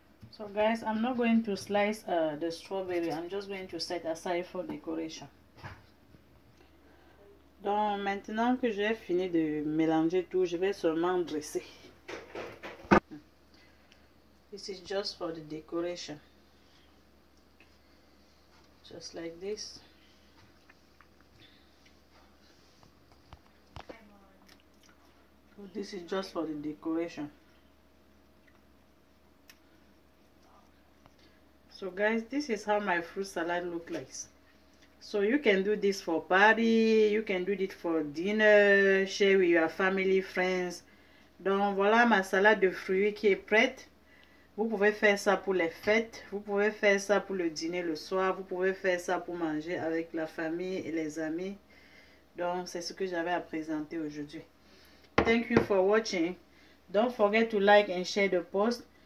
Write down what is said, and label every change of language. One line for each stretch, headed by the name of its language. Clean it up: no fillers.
English: So guys, I'm not going to slice the strawberry. I'm just going to set aside for decoration.
French: Donc maintenant que j'ai fini de mélanger tout, je vais seulement dresser.
English: This is just for the decoration. Just like this. So this is just for the decoration. So guys, this is how my fruit salad looks like. So you can do this for party, you can do it for dinner, share with your family, friends.
French: Donc voilà ma salade de fruits qui est prête. Vous pouvez faire ça pour les fêtes, vous pouvez faire ça pour le dîner le soir, vous pouvez faire ça pour manger avec la famille et les amis. Donc c'est ce que j'avais à présenter aujourd'hui.
English: Thank you for watching. Don't forget to like and share the post.